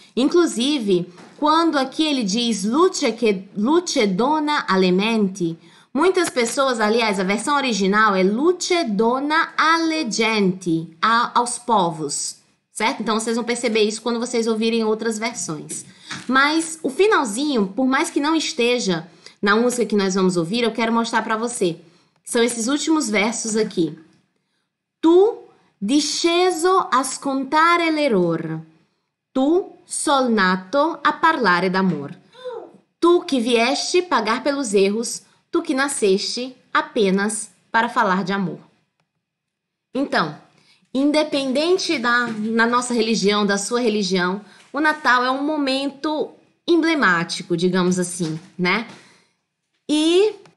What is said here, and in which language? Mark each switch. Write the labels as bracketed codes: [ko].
[pt] Inclusive, quando aqui ele diz [it] luce dona alle menti, [pt] muitas pessoas, aliás, a versão original é [it] luce dona alle genti, [pt] aos povos. Certo? Então vocês vão perceber isso quando vocês ouvirem outras versões. Mas o finalzinho, por mais que não esteja na música que nós vamos ouvir, eu quero mostrar para você. São esses últimos versos aqui. [it] Tu disceso a scontare l'error. Tu sol nato a parlare d'amor. [pt] Tu que vieste pagar pelos erros. Tu que nasceste apenas para falar de amor. Então, independente da nossa religião, da sua religião, o Natal é um momento emblemático, digamos assim, né? E